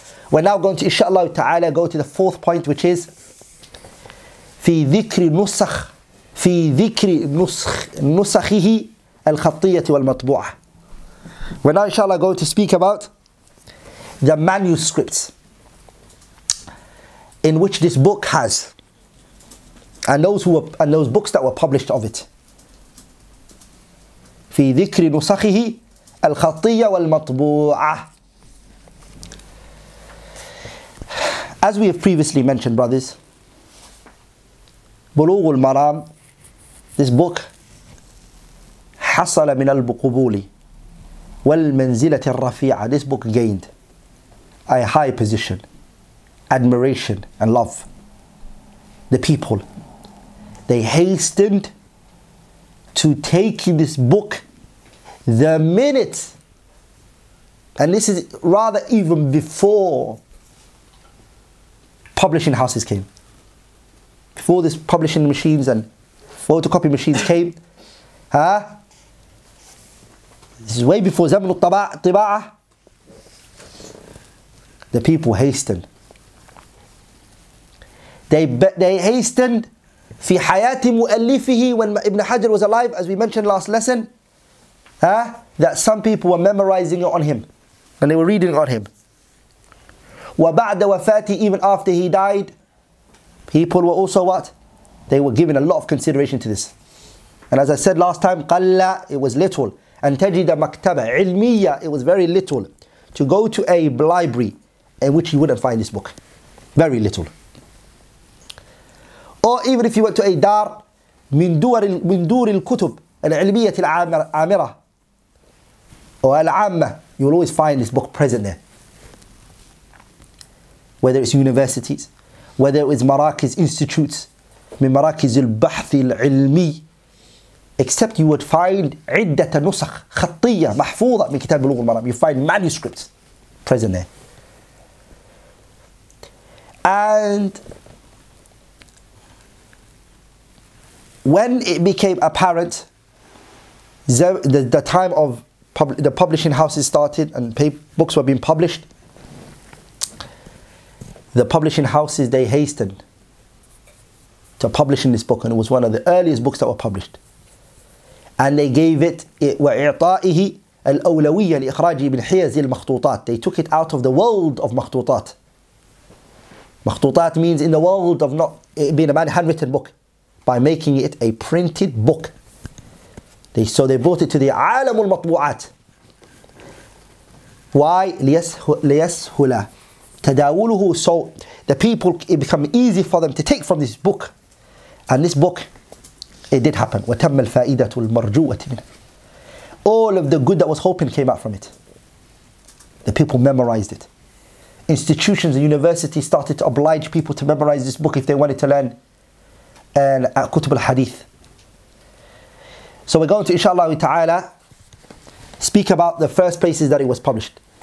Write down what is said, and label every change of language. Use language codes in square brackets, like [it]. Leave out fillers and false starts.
[en] We're now going to, inshallah ta'ala, go to the fourth point, which is [ar] في ذكر نسخه الخطية والمطبوعة. [en] We're now, inshallah, going to speak about the manuscripts in which this book has, and those books that were published of it. [ar] في ذكر نسخه الخطية والمطبوعة. [en] As we have previously mentioned, brothers, بلوغ المرام, this book, [ar] حصل من البقبولي, والمنزلة الرفيعة. [en] This book gained a high position, admiration and love. The people, they hastened to take this book the minute, and this is rather even before publishing houses came, before this publishing machines and photocopy machines came, huh? This is way before [ar] زمن الطباعة. [en] The people hastened. They hastened [ar] في حياة مؤلفه. [en] When Ibn Hajar was alive, as we mentioned last lesson, huh, that some people were memorizing it on him and they were reading on him. [ar] وبعد وفاته, [en] even after he died, people were also what? They were giving a lot of consideration to this. And as I said last time, قلا, it was little. And [ar] تجد مكتبة علمية, [en] it was very little. To go to a library in which you wouldn't find this book. Very little. Or even if you went to a [ar] دار من دور الكتب العلمية العامرة [en] or العامة, you'll always find this book present there. Whether it's universities, whether it's [ar] مراكز institutes, من مراكز البحث العلمي, [en] except you would find [ar] عدة نسخ خطية محفوظة من كتاب بلوغ المرام. [en] You find manuscripts present there. And when it became apparent, the time of the publishing houses started and books were being published, the publishing houses, they hastened to publishing this book, and it was one of the earliest books that were published. And they gave it [ar] وإعطائه الأولوية لإخراج ابن حيز المخطوطات. [en] They took it out of the world of مخطوطات. مخطوطات means in the world of not being a handwritten book, by making it a printed book. So they brought it to the عالم المطبوعات. Why? [ar] ليسهل تداوله. [en] So the people, it become easy for them to take from this book. And this book, it did happen. [ar] وتم الفائدة المرجوة منه. [en] All of the good that was hoping came out from it. The people memorized it. Institutions and universities started to oblige people to memorize this book if they wanted to learn كتب الحديث. So we're going to, inshallah ta'ala, speak about the first places that it was published.